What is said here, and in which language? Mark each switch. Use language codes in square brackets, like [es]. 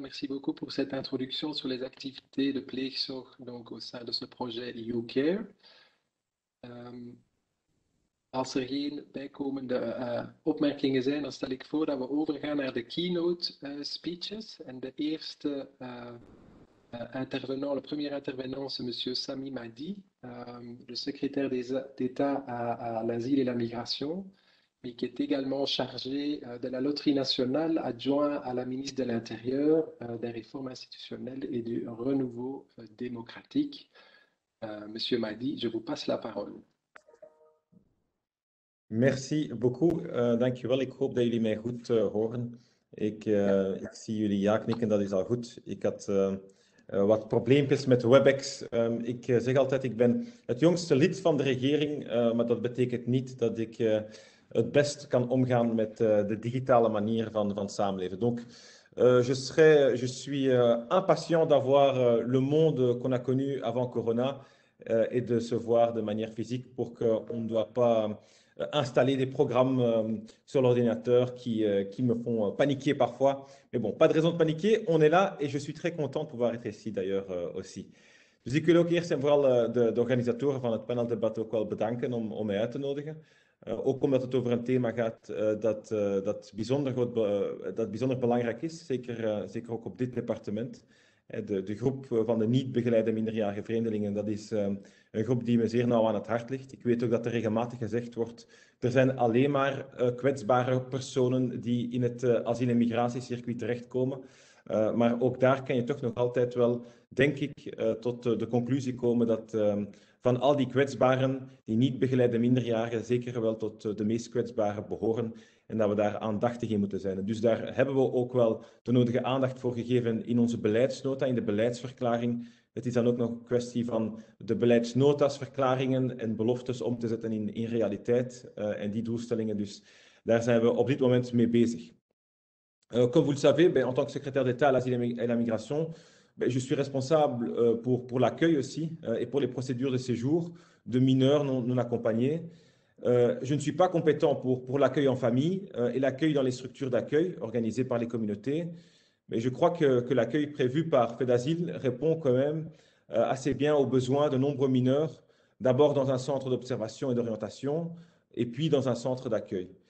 [fr] Merci beaucoup pour cette introduction sur les activités de pleegzorg donc au sein de ce projet YouCare. [nl] Als er geen bijkomende opmerkingen zijn, dan stel ik voor dat we overgaan naar de keynote speeches. En de eerste intervenant, [fr] le premier intervenant, c'est M. Sami Mahdi, le secrétaire d'État à l'asile et la migration, mais qui est également chargé de la loterie nationale, adjoint à la ministre de l'Intérieur, des réformes institutionnelles et du renouveau démocratique. Monsieur Mahdi, je vous passe la parole. Merci beaucoup. [nl] Dankjewel. Ik hoop dat jullie mij goed horen. Ik zie jullie ja knikken, dat is al goed. Ik had wat probleempjes met WebEx. Ik zeg altijd, ik ben het jongste lid van de regering, maar dat betekent niet dat ik het best kan omgaan met de digitale manier van samenleven. [fr] Donc, je suis impatient d'avoir le monde qu'on a connu avant Corona et de se voir de manière physique pour qu'on ne doit pas installer des programmes sur l'ordinateur qui me font paniquer parfois. Mais bon, pas de raison de paniquer, on est là et je suis très content de pouvoir être ici d'ailleurs aussi. [nl] Dus ik wil ook eerst en vooral de organisatoren van het paneldebat ook wel bedanken om mij uit te nodigen. Ook omdat het over een thema gaat dat bijzonder belangrijk is, zeker ook op dit departement. De groep van de niet begeleide minderjarige vreemdelingen, dat is een groep die me zeer nauw aan het hart ligt. Ik weet ook dat er regelmatig gezegd wordt, er zijn alleen maar kwetsbare personen die in het asiel- en migratiecircuit terechtkomen. Maar ook daar kan je toch nog altijd wel, denk ik, tot de conclusie komen dat van al die kwetsbaren, die niet begeleide minderjarigen, zeker wel tot de meest kwetsbaren behoren. En dat we daar aandachtig in moeten zijn. Dus daar hebben we ook wel de nodige aandacht voor gegeven in onze beleidsnota, in de beleidsverklaring. Het is dan ook nog een kwestie van de beleidsnota's, verklaringen en beloftes om te zetten in realiteit en die doelstellingen. Dus daar zijn we op dit moment mee bezig. [fr] Comme vous le savez, en tant que secrétaire d'État à l'asile et la migration, je suis responsable pour l'accueil aussi et pour les procédures de séjour de mineurs non accompagnés. Je ne suis pas compétent pour l'accueil en famille et l'accueil dans les structures d'accueil organisées par les communautés, mais je crois que l'accueil prévu par FEDASIL répond quand même assez bien aux besoins de nombreux mineurs, d'abord dans un centre d'observation et d'orientation, et puis dans un centre d'accueil.